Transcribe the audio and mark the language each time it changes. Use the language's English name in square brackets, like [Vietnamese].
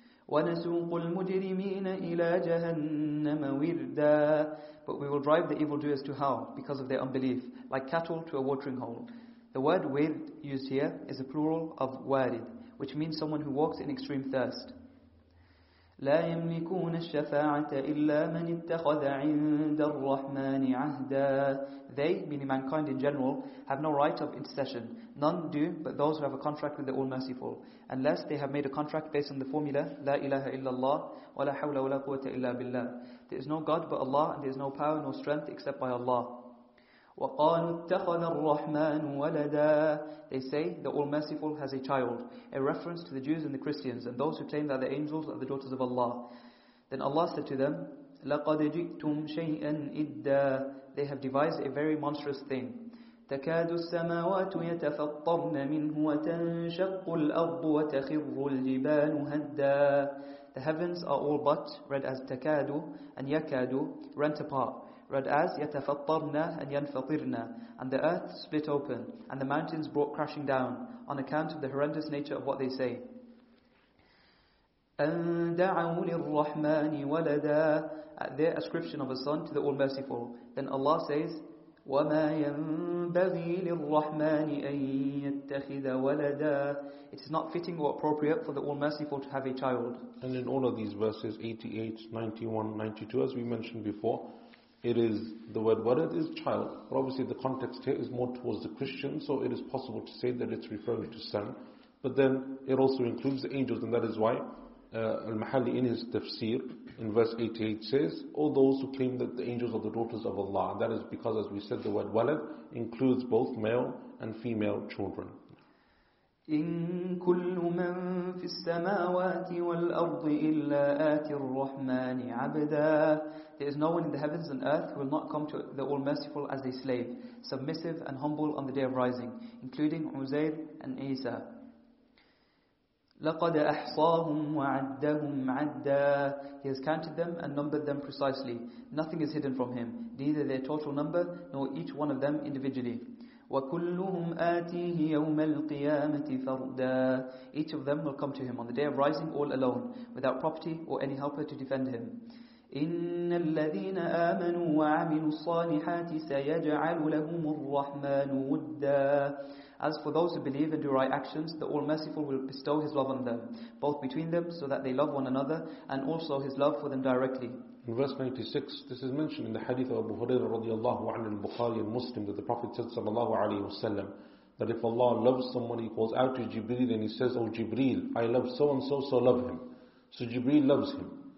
[Arabic] وَنَسُوقُ الْمُجْرِمِينَ إِلَى جَهَنَّمَ وِرْدًا. [English] But we will drive the evildoers to hell because of their unbelief, like cattle to a watering hole. The word wird used here is a plural of warid, which means someone who walks in extreme thirst. [Arabic] لا يملكون الشفاعة إلا من اتخذ عند الرحمن عهدا. [English] They, meaning mankind in general, have no right of intercession. None do but those who have a contract with the All Merciful, unless they have made a contract based on the formula [Arabic] لا إله إلا الله ولا حول ولا قوة إلا بالله. [English] There is no God but Allah, and there is no power nor strength except by Allah. [Arabic] وقالوا اتخذ الرحمن ولدا. [English] They say the All Merciful has a child, a reference to the Jews and the Christians and those who claim that the angels are the daughters of Allah. Then Allah said to them, [Arabic] لقد جئتم شيئا إدا. [English] They have devised a very monstrous thing. [Arabic] تكاد السماوات يتفطرن منه وتنشق الأرض وتخر الجبال هدا. [English] The heavens are all but, read as takadu and yakadu, rent apart, read as yatafattarna and yanfatirna, and the earth split open, and the mountains brought crashing down, on account of the horrendous nature of what they say. [Arabic] أَن دَعَوُ لِلرَّحْمَانِ وَلَدًا. [English] At their ascription of a son to the All-Merciful, then Allah says, [Arabic] وَمَا يَنْبَغِي لِلرَّحْمَانِ أَن يَتَّخِذَ وَلَدًا. [English] It is not fitting or appropriate for the All-Merciful to have a child. And in all of these verses, 88, 91, 92, as we mentioned before, it is the word warad is child, but obviously the context here is more towards the Christian, so it is possible to say that it's referring to son. But then it also includes the angels, and that is why Al-Mahalli in his tafsir in verse 88 says, all those who claim that the angels are the daughters of Allah. And that is because, as we said, the word walad includes both male and female children. [Arabic] إن كل من في السماوات والأرض إلا آتي الرحمن عبدا. [English] There is no one in the heavens and earth who will not come to the All Merciful as a slave, submissive and humble on the Day of Rising, including Uzair and Isa. [Arabic] لقد أحصاهم وعدهم عدا. [English] He has counted them and numbered them precisely. Nothing is hidden from him, neither their total number nor each one of them individually. [Arabic] وكلهم آتيه يوم القيامة فردا. [English] Each of them will come to him on the Day of Rising all alone, without property or any helper to defend him. [Arabic] إن الذين آمنوا وعملوا الصالحات سيجعل لهم الرحمن ودا. [English] As for those who believe and do right actions, the All-Merciful will bestow His love on them, both between them, so that they love one another, and also His love for them directly. In verse 96, this is mentioned in the hadith of Abu Hurairah radiallahu anhu in Bukhari and Muslim, that the Prophet said sallallahu alayhi wa sallam, that if Allah loves someone, He calls out to Jibreel and He says, "Oh Jibreel, I love so and so, so love him." So Jibreel loves him.